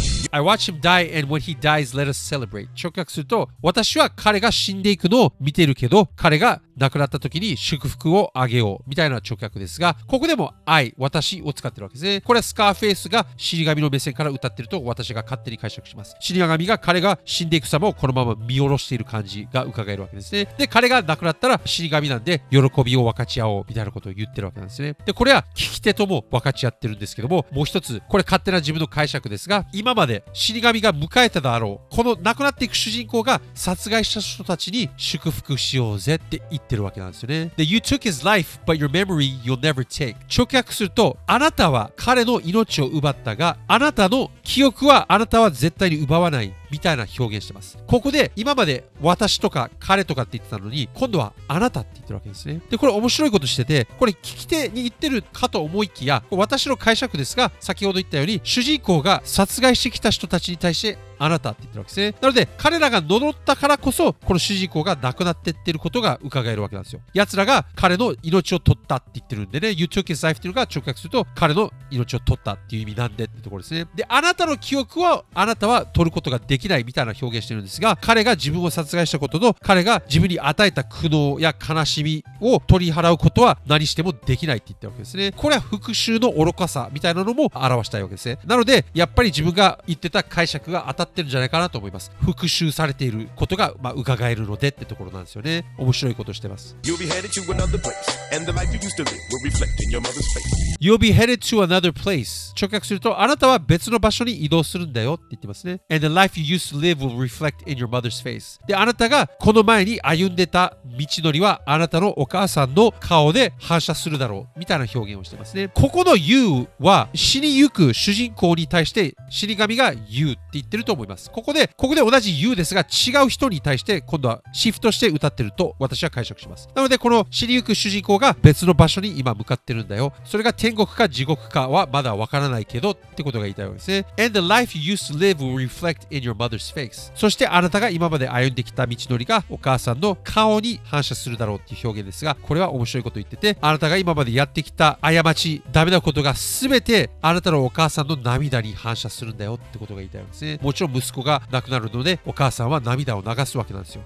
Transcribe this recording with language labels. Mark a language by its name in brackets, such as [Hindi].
[English] I watch him die and when he dies, let us celebrate. [Japanese] 直訳すると、私は彼が死んでいくのを見ているけど、彼が亡くなった時に祝福をあげようみたいな直訳ですが、ここでも I、私を使ってるわけですね。これはスカーフェイスが死神の目線から歌ってると私が勝手に解釈します。死神が彼が死んでいく様をこのまま見下ろしている感じが伺えるわけですね。で、彼が亡くなったら死神なんで喜びを分かち合おうみたいなことを言ってるわけなんですね。で、これは聞き手とも分かち合ってるんですけども、もう一つ、これ勝手な自分の解釈ですが、今まで死神が迎えただろう、この亡くなっていく主人公が殺害した人たちに祝福しようぜって言ってってるわけなんですよね。 [English] で、You took his life, but your memory you'll never take. [Japanese] 直訳すると、あなたは彼の命を奪ったが、あなたの記憶はあなたは絶対に奪わない。みたいな表現してます。ここで今まで私とか彼とかって言ってたのに、今度はあなたって言ってるわけですね。で、これ面白いことしてて、これ聞き手に言ってるかと思いきや、私の解釈ですが、先ほど言ったように主人公が殺害してきた人たちに対してあなたって言ってるわけですね。なので彼らが呪ったからこそこの主人公が亡くなってってることが伺えるわけなんですよ。奴らが彼の命を取ったって言ってるんでね、 [English] You took his life [Japanese] っていうのが直訳すると彼の命を取ったっていう意味なんでってところですね。で、あなたの記憶をあなたは取ることができないみたいな表現してるんですが、彼が自分を殺害したことと彼が自分に与えた苦悩や悲しみを取り払うことは何してもできないって言ってるわけですね。これは復讐の愚かさみたいなのも表したいわけですね。なのでやっぱり自分が言ってた解釈が当たってるんじゃないかなと思います。復讐されていることが、まあ、伺えるのでってところなんですよね。面白いことしてます。 [English] You'll be headed to another place and the life you used to live will reflect in your mother's face. You'll be headed to another place. [Japanese] 直訳するとあなたは別の場所に移動するんだよって言ってますね。 [English] And the life you used to live will reflect in your mother's face. [Japanese] で、あなたがこの前に歩んでた道のりはあなたのお母さんの顔で反射するだろうみたいな表現をしてますね。ここの You は死にゆく主人公に対して死神が You って言ってると思います。ここで同じ You ですが違う人に対して今度はシフトして歌ってると私は解釈します。なのでこの死にゆく主人公が別の場所に今向かってるんだよ、それが天国か地獄かはまだわからないけどってことが言いたいわけですね。 [English] And the life you used to live will reflect in your mother's face. [Japanese] そしてあなたが今まで歩んできた道のりがお母さんの顔に反射するだろうっていう表現ですが、これは面白いこと言ってて、あなたが今までやってきた過ち、ダメなことが全てあなたのお母さんの涙に反射するんだよってことが言いたいわけですね。もちろん息子が亡くなるのでお母さんは涙を流すわけなんですよ。